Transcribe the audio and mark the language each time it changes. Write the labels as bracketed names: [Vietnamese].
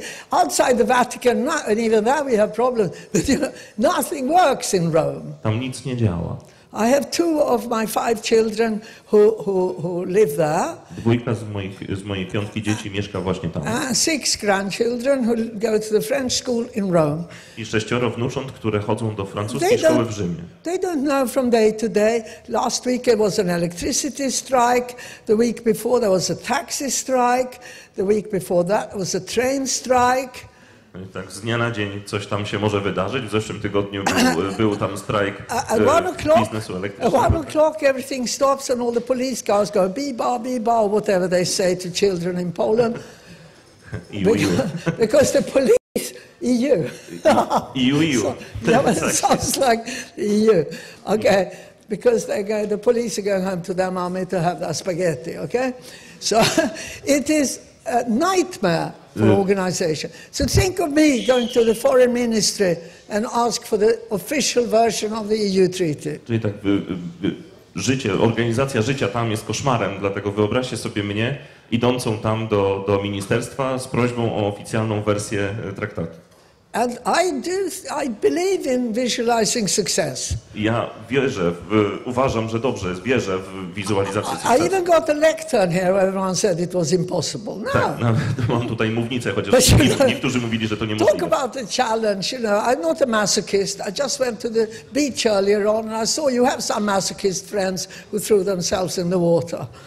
[English] Outside the Vatican, not, and even there we have problems, but you know, nothing works in Rome. [Polish] Tam nic nie działa. [English] I have two of my five children who live there. [Polish] Dwójka z mojej piątki dzieci mieszka właśnie tam. [English] Six grandchildren who go to the French school in Rome. [Polish] I sześcioro wnucząt, które chodzą do francuskiej szkoły w Rzymie. [English] They don't know from day to day. Last week it was an electricity strike. The week before there was a taxi strike. The week before that was a train strike. [Polish] Tak z dnia na dzień coś tam się może wydarzyć. W zeszłym tygodniu był tam strajk biznesu elektrycznego. [English] At 1 o'clock everything stops and all the police cars go beba, whatever they say to children in Poland. Because the police, EU. EU. Sounds like EU. Okay, because they go, the police are going home to their mommy to have their spaghetti, okay? So it is a nightmare. For organization. So think of me going to the foreign ministry and ask for the official version of the EU treaty. [Polish] Czyli tak, życie, organizacja życia tam jest koszmarem, dlatego wyobraźcie sobie mnie idącą tam do ministerstwa z prośbą o oficjalną wersję traktatu. [English] And I believe in visualizing success. [Polish] Ja wierzę, uważam, że dobrze jest, wierzę w wizualizację sukcesu. [English] I even got a lectern here where everyone said it was impossible. No. [Polish] Tak, nawet mam tutaj mównicę, chociaż niektórzy mówili, że to niemożliwe. [English] Talk about the challenge, you know, I'm not a masochist. I just went to the beach earlier on and I saw you have some masochist friends who threw themselves in the water.